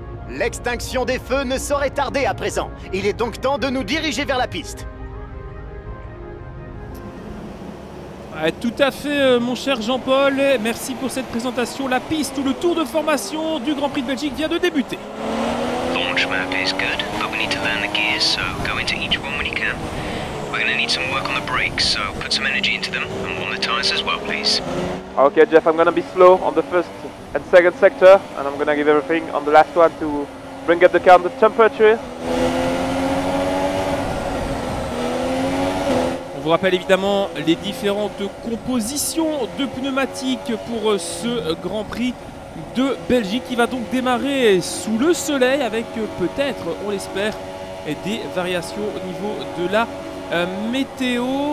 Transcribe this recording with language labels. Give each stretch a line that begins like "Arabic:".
French: L'extinction des feux ne saurait tarder à présent. Il est donc temps de nous diriger vers la piste. Ouais, tout à fait, mon cher Jean-Paul. Merci pour cette présentation. La piste où le tour de formation du Grand Prix de Belgique vient de débuter.
English: Map is good, but we need to learn the gears, so go into each one when you can. We're gonna need some work on the brakes, so put some energy into them and warm the tires as well, please. Okay, Jeff, I'm gonna be slow on the first and second sector, and I'm gonna give everything on the last one to bring up the car on the temperature.
French: On vous rappelle évidemment les différentes compositions de pneumatiques pour ce Grand Prix de Belgique qui va donc démarrer sous le soleil avec peut-être, on l'espère, des variations au niveau de la météo.